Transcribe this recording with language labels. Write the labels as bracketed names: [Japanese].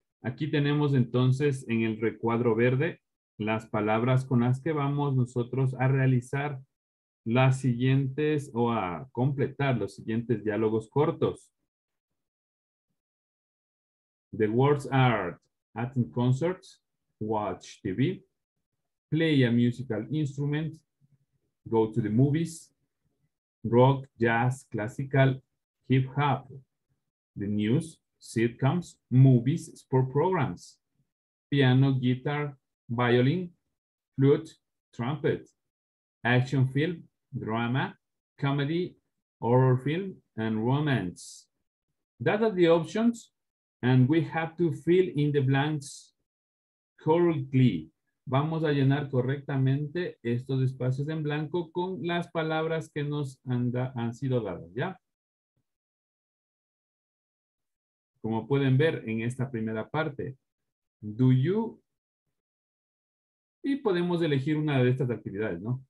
[Spanish] Aquí tenemos entonces en el recuadro verde las palabras con las que vamos nosotros a realizar las siguientes o a completar los siguientes diálogos cortos. [English] The words are attend concerts, watch TV, play a musical instrument, go to the movies, rock, jazz, classical, hip hop, the news, sitcoms, movies, sport programs, piano, guitar, violin, flute, trumpet, action film, drama, comedy, horror film, and romance. That are the options, and we have to fill in the blanks correctly. [Spanish] Vamos a llenar correctamente estos espacios en blanco con las palabras que nos han sido dadas, ¿ya? Como pueden ver en esta primera parte, [English] do you, [Spanish] y podemos elegir una de estas actividades, ¿no?